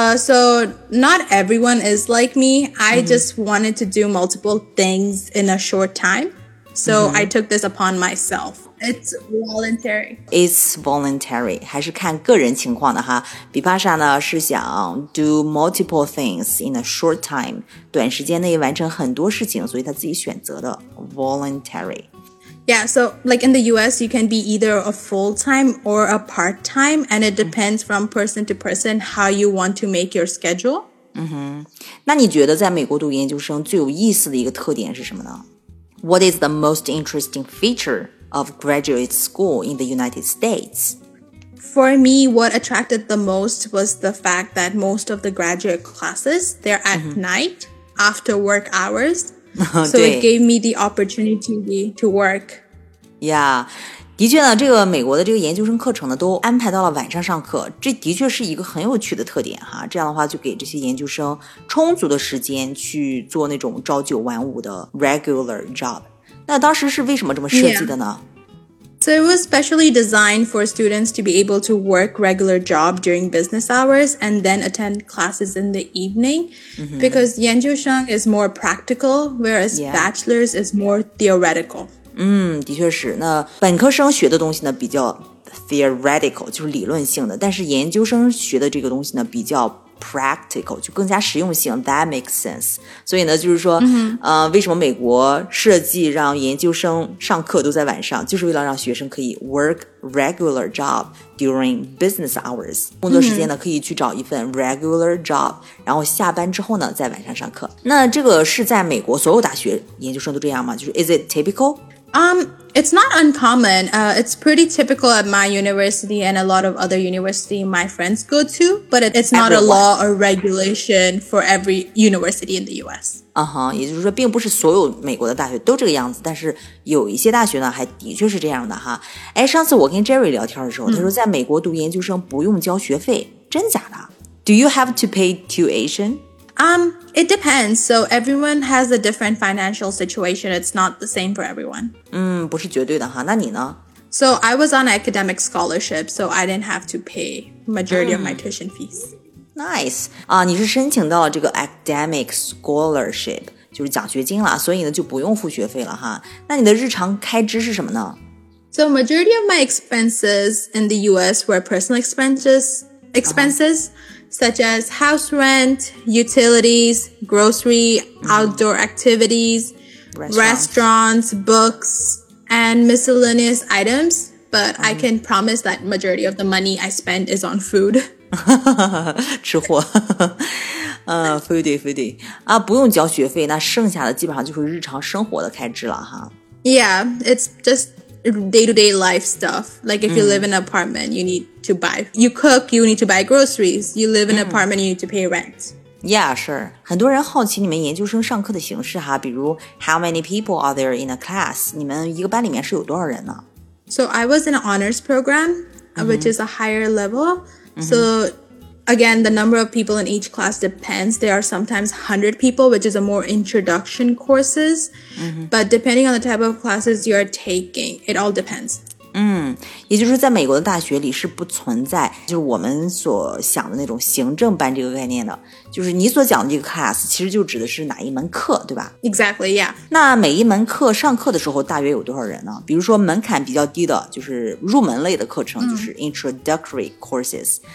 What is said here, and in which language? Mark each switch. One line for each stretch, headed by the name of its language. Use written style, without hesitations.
English: So not everyone is like me. I just wanted to do multiple things in a short time. So I took this upon myself. It's voluntary. It's voluntary.
Chinese: 还是看个人情况的哈。
English: Vipasha
Chinese: 呢是想
English: do multiple things in a short time.
Chinese: 短时间内完成很多事情，所以他自己选择的 voluntary.
English: Yeah, so like in the US, you can be either a full-time or a part-time. And it depends from person to person how you want to make your schedule. 嗯哼。
Chinese: 那你觉得在美国读研究生最有意思的一个特点是什么呢？
English: What is the most interesting feature of graduate school in the United States? For me, what attracted the most was the fact that most of the graduate classes, they're at night, after work hours. So it gave me the opportunity to work.
Chinese: Yeah, 的确呢，这个美国的这个研究生课程呢，都安排到了晚上上课，这的确是一个很有趣的特点哈。这样的话就给这些研究生充足的时间去做那种朝九晚五的 regular job。那当时是为什么这么设计的呢、
English: yeah. So it was specially designed for students to be able to work regular job during business hours and then attend classes in the evening、because 研究生 is more practical whereas、 yeah. bachelor's is more theoretical、
Chinese: 的确是那本科生学的东西呢比较 theoretical 就是理论性的但是研究生学的这个东西呢比较practical 就更加实用性
English: that makes sense
Chinese: 所以呢就是说、为什么美国设计让研究生上课都在晚上就是为了让学生可以
English: work regular job during business hours
Chinese: 工作时间呢可以去找一份 regular job 然后下班之后呢在晚上上课那这个是在美国所有大学研究生都这样吗就是
English: is it typical? It's not uncommon. It's pretty typical at my university and a lot of other university my friends go to, but it's not、 Everyone. A law or regulation for every university in the U.S.
Chinese: 也就是说并不是所有美国的大学都这个样子但是有一些大学呢还的确是这样的哈。哎，上次我跟 Jerry 聊天的时候他说在美国读研究生不用交学费真假的
English: Do you have to pay tuition? It depends. So everyone has a different financial situation. It's not the same for everyone.
Chinese: 不是绝对的哈。那你呢？
English: So I was on academic scholarship, so I didn't have to pay majority of my tuition fees. Nice.
Chinese: 你是申请到了这个 academic scholarship, 就是奖学金了，所以呢就不用付学费了哈。那你的日常开支是什么呢？
English: So majority of my expenses in the US were personal expenses, such as house rent, utilities, grocery, outdoor activities, restaurants, books, and miscellaneous items. But I can promise that majority of the money I spend is on food.
Chinese: 吃货foodie. 不用交学费，那剩下的基本上就是日常生活的开支了哈。
English: Yeah, it's just... day-to-day life stuff. Like if you live in an apartment, you need to buy... You cook, you need to buy groceries. You live in an apartment, you need to pay rent. Yeah, sure.
Chinese: 很多人好奇你们研究生上课的形式哈，比如
English: how many people are there in a class?
Chinese: 你们一个班里面是有多少人呢？
English: So I was in an honors program, which is a higher level. So again, the number of people in each class depends. There are sometimes 100 people, which is a more introduction courses. But depending on the type of classes you are taking, it all depends.
Chinese: 也就是说在美国的大学里是不存在就是我们所想的那种行政班这个概念的。就是你所讲的这个 class 其实就指的是哪一门课，对吧？
English: Exactly, yeah.
Chinese: 那每一门课上课的时候大约有多少人呢？比如说门槛比较低的就是入门类的课程，就是 introductory courses.